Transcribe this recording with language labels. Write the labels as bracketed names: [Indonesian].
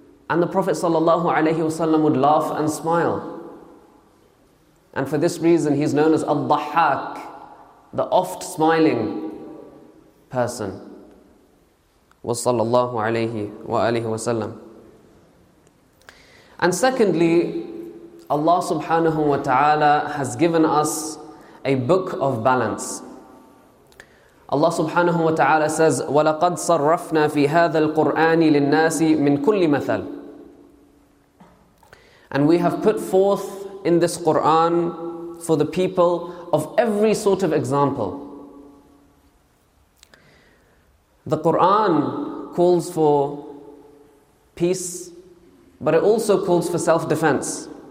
[English] And the Prophet sallallahu alayhi wasallam would laugh and smile. And for this reason, he's known as al-dhahhak, the oft-smiling person. Wa sallallahu alayhi wa alihi wasallam. And secondly, Allah subhanahu wa ta'ala has given us a book of balance. [Arabic] Allah subhanahu wa ta'ala says, وَلَقَدْ صَرَّفْنَا فِي هَذَا الْقُرْآنِ لِلنَّاسِ مِنْ كُلِّ مَثَلٍ. [English] And we have put forth in this Qur'an for the people of every sort of example. The Qur'an calls for peace, but it also calls for self-defense.